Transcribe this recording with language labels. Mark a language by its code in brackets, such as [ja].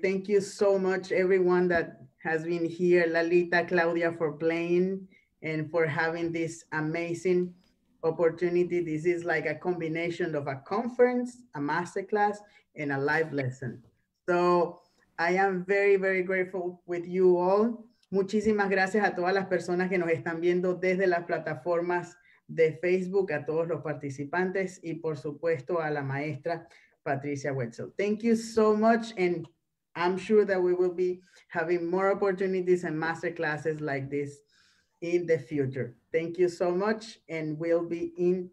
[en] Thank you so much, everyone that has been here. Lalita, Claudia, for playing and for having this amazing opportunity. This is like a combination of a conference, a masterclass, and a live lesson. So I am very, very grateful with you all. [es] Muchísimas gracias a todas las personas que nos están viendo desde las plataformas de Facebook, a todos los participantes y por supuesto a la maestra Patricia Wetzel. [en] Thank you so much and I'm sure that we will be having more opportunities and masterclasses like this in the future. Thank you so much and we'll be in touch.